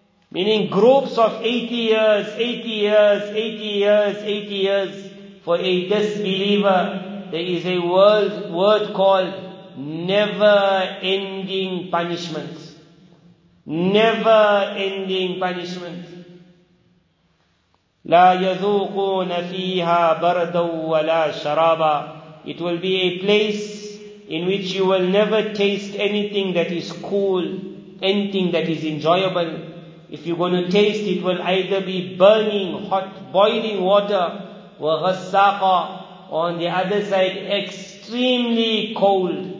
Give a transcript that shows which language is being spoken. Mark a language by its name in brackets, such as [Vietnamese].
[English] Meaning groups of 80 years, 80 years, 80 years, 80 years. For a disbeliever, there is a word called never-ending punishment. Never-ending punishment. [Arabic] لا يذوقون فيها بردا ولا شرابا. [English] It will be a place in which you will never taste anything that is cool, anything that is enjoyable. If you're going to taste, it will either be burning, hot, boiling water, وَغَسَّاقَ, or on the other side, extremely cold.